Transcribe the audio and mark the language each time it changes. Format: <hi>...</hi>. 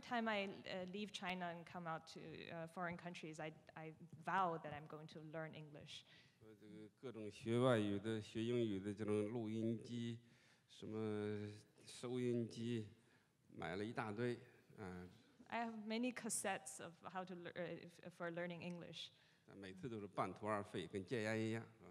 <en>time I leave China and come out to foreign countries, I vow that I'm going to learn English.</en> <zh>这个各种学外语的、学英语的这种录音机、什么收音机，买了一大堆。</zh> <en>I have many cassettes of how to for learning English.</en> <zh>每次都是半途而废，跟戒烟一样。</zh>